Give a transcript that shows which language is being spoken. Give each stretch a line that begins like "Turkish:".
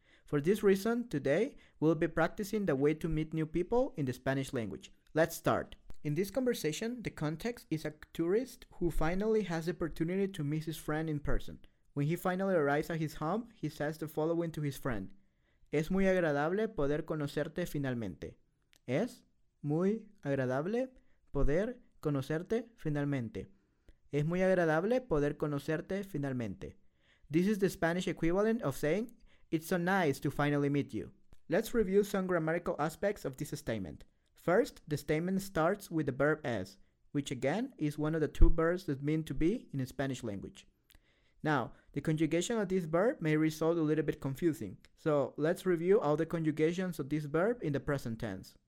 English: For this reason, today, we'll be practicing the way to meet new people in the Spanish language. Let's start. In this conversation, the context is a tourist who finally has the opportunity to meet his friend in person. When he finally arrives at his home, he says the following to his friend.
Spanish: Es muy agradable poder conocerte finalmente. Es muy agradable poder conocerte finalmente. Es muy agradable poder conocerte finalmente.
English: This is the Spanish equivalent of saying, it's so nice to finally meet you. Let's review some grammatical aspects of this statement. First, the statement starts with the verb es, which again is one of the two verbs that mean to be in the Spanish language. Now, the conjugation of this verb may result a little bit confusing, so let's review all the conjugations of this verb in the present tense.